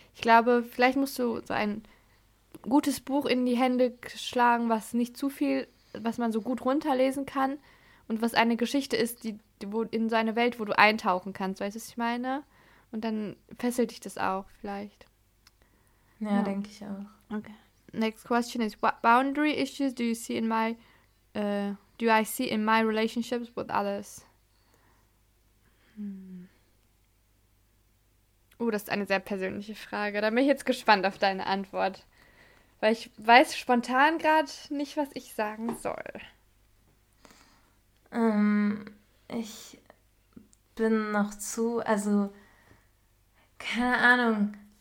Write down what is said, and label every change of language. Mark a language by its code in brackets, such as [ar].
[de] Ich glaube, vielleicht musst du so ein gutes Buch in die Hände schlagen, was nicht zu viel, was man so gut runterlesen kann und was eine Geschichte ist, wo in so eine Welt, wo du eintauchen kannst, weißt du, was ich meine? Und dann fesselt dich das auch vielleicht. Ja, denke ich auch. Okay. [en] Next question is, what boundary issues do you see in my relationships with others? [de] Oh, das ist eine sehr persönliche Frage. Da bin ich jetzt gespannt auf deine Antwort. Weil ich weiß spontan gerade nicht, was ich sagen soll. Ich bin noch zu, also, keine Ahnung.